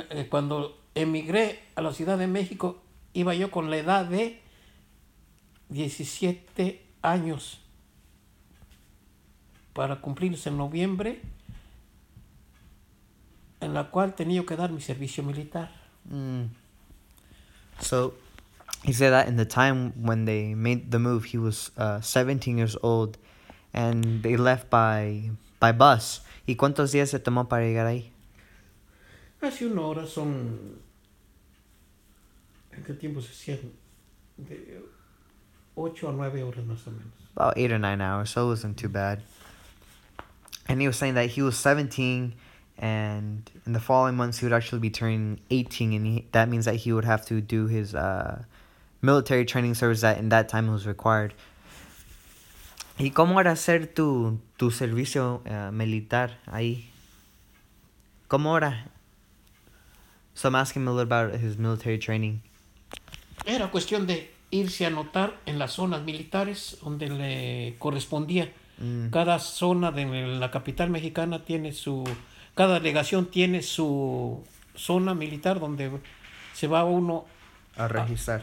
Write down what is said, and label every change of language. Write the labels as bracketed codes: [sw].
[es] Cuando emigré a la Ciudad de México, iba yo con la edad de 17 años. Para cumplirse en noviembre, en la cual tenía que dar mi servicio militar. [en] So he said that in the time when they made the move, he was 17 years old, and they left by bus. [es] ¿Y cuántos días se tomó para llegar ahí? Hace una hora son. ¿En qué tiempo se cierran? De 8 a 9 horas más o menos. [en] About 8 or 9 hours, so it wasn't too bad. And he was saying that he was 17, and in the following months he would actually be turning 18, and that means that he would have to do his military training service that in that time was required. [es] ¿Y cómo era hacer tu servicio militar ahí? ¿Cómo era? [en] So I'm asking him a little about his military training. [es] Era cuestión de irse a anotar en las zonas militares donde le correspondía. Cada zona de la capital mexicana tiene su cada delegación tiene su zona militar donde se va uno a registrar.